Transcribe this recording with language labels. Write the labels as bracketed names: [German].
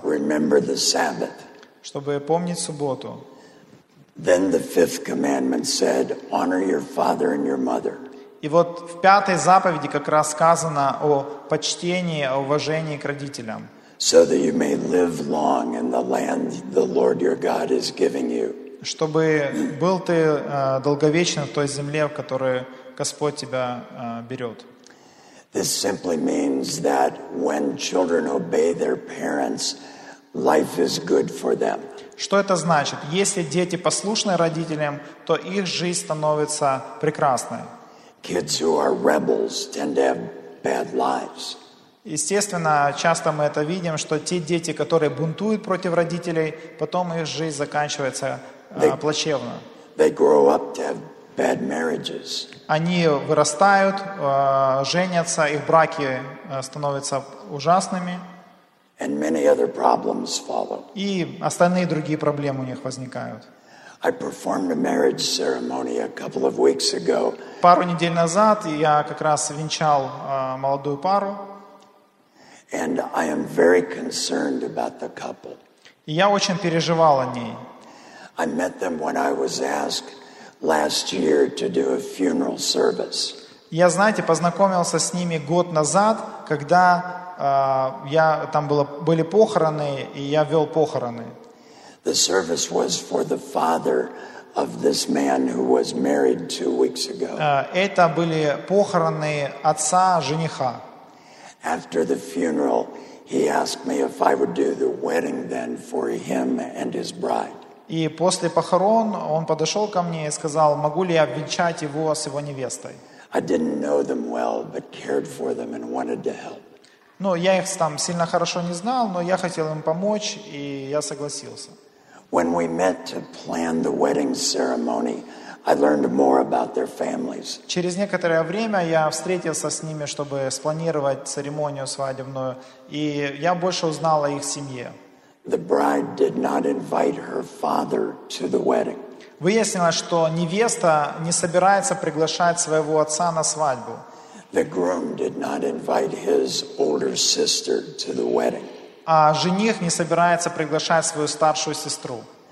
[English] Remember the Sabbath. [Russian] Чтобы помнить субботу. [English] Then the fifth commandment said, honor your father and your mother. [Russian] И вот в пятой заповеди как раз сказано о почтении, о уважении к родителям. [English] So that you may live long in the land the Lord your God is giving you. [Russian] Чтобы был ты долговечен в той земле, в которой Господь тебя берет. [English] This simply means that when children obey their parents, life is good for them. [Russian] Что это значит? Если дети послушны родителям, то их жизнь становится прекрасной. [English] Kids who are rebels tend to have bad lives. [Russian] Естественно, часто мы это видим, что те дети, которые бунтуют против родителей, потом их жизнь заканчивается плачевно. [English] They grow up to have bad marriages. [Russian] Они вырастают, женятся, их браки становятся ужасными. [English] And many other problems follow. [Russian] И остальные другие проблемы у них возникают. [English] I performed a marriage ceremony a couple of weeks ago. [Russian] Пару недель назад я как раз венчал молодую пару. [English] And I am very concerned about the couple. [Russian] И я очень переживал о ней. [English] I met them when I was asked last year to do a funeral service. [Russian] Я, знаете, познакомился с ними год назад, когда я там были похороны, и я вел похороны. [English] The service was for the father of this man who was married 2 weeks ago. [Russian] Это были похороны отца жениха. [English] After the funeral, he asked me if I would do the wedding then for him and his bride. [Russian] И после похорон он подошел ко мне и сказал, могу ли я обвенчать его с его невестой. [English] I didn't know them well, but cared for them and wanted to help. [Russian] Ну, я их там сильно хорошо не знал, но я хотел им помочь, и я согласился. [English] When we met to plan the wedding ceremony, I learned more about their families. [Russian] Через некоторое время я встретился с ними, чтобы спланировать церемонию свадебную, и я больше узнал о их семье. [English] The bride did not invite her father to the wedding. [Russian] Выяснилось, что невеста не собирается приглашать своего отца на свадьбу. [English] The groom did not invite his older sister to the wedding. [Russian] А жених не собирается приглашать свою старшую сестру.